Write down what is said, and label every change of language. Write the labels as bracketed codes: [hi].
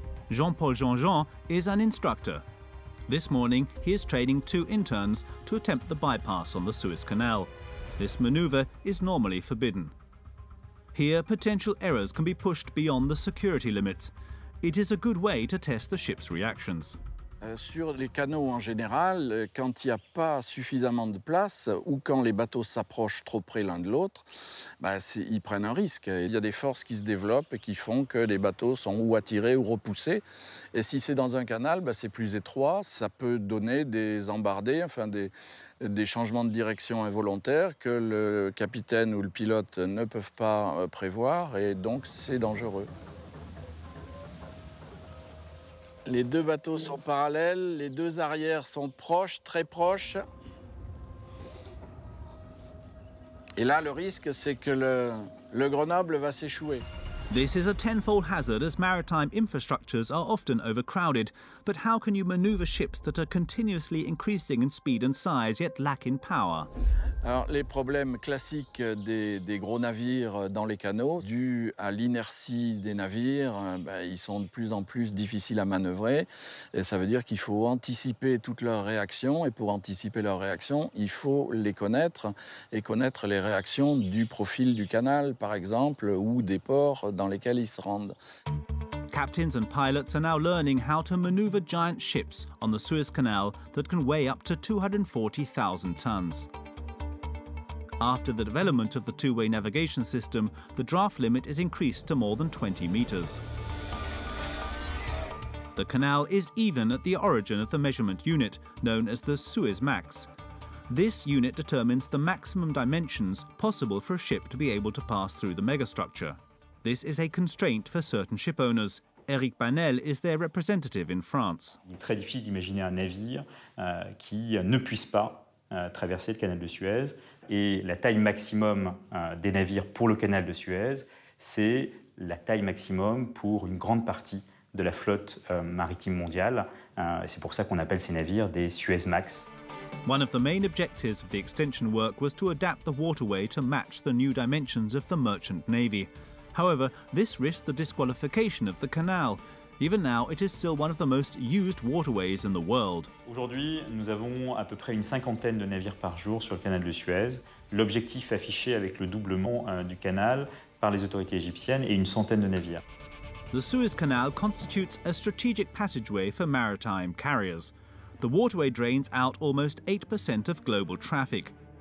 [en] Jean-Paul Jean-Jean is an instructor. This morning, he is training 2 interns to attempt the bypass on the Suez Canal. This maneuver is normally forbidden. Here, potential errors can be pushed beyond the security limits. It is a good way to test the ship's reactions. [fr] Sur les canaux en général, quand il n'y a pas suffisamment de place ou quand les bateaux s'approchent trop près l'un de l'autre, ils prennent un risque. Il y a des forces qui se développent et qui font que les bateaux sont ou attirés ou repoussés. Et si c'est dans un canal, c'est plus étroit, ça peut donner des embardées, enfin des changements de direction involontaires que le capitaine ou le pilote ne peuvent pas prévoir et donc c'est dangereux. Les deux bateaux sont parallèles, les deux arrières sont proches, très proches. Et là, le risque, c'est que le Grenoble va s'échouer. [en] This is a tenfold hazard as maritime infrastructures are often overcrowded. But how can you maneuver ships that are continuously increasing in speed and size yet lack in power? [fr] Alors, les problèmes classiques des gros navires dans les canaux, dus à l'inertie des navires, ils sont de plus en plus difficiles à manœuvrer. Et ça veut dire qu'il faut anticiper toutes leurs réactions. Et pour anticiper leurs réactions, il faut les connaître et connaître les réactions du profil du canal, par exemple, ou des ports dans lesquels ils se rendent. [en] Captains and pilots are now learning how to maneuver giant ships on the Suez Canal that can weigh up to 240,000 tons. After the development of the two-way navigation system, the draft limit is increased to more than 20 meters. The canal is even at the origin of the measurement unit, known as the Suez Max. This unit determines the maximum dimensions possible for a ship to be able to pass through the megastructure. This is a constraint for certain ship owners. Eric Panel is their representative in France. [fr] Il est très difficile d'imaginer un navire qui ne puisse pas traverser le canal de Suez. Et la taille maximum des navires pour le canal de Suez, c'est la taille maximum pour une grande partie de la flotte maritime mondiale. C'est pour ça qu'on appelle ces navires des Suez Max. [en] One of the main objectives of the extension work was to adapt the waterway to match the new dimensions of the merchant navy. However, this risked the disqualification of the canal. Even now, it is still one of the most used waterways in the world. [fr] Aujourd'hui, nous avons à peu près une cinquantaine de navires par jour sur le canal de Suez. L'objectif affiché avec le doublement du canal par les autorités égyptiennes est une centaine de navires. [en] The Suez Canal constitutes a strategic passageway for maritime carriers. The waterway drains out almost 8% of global traffic.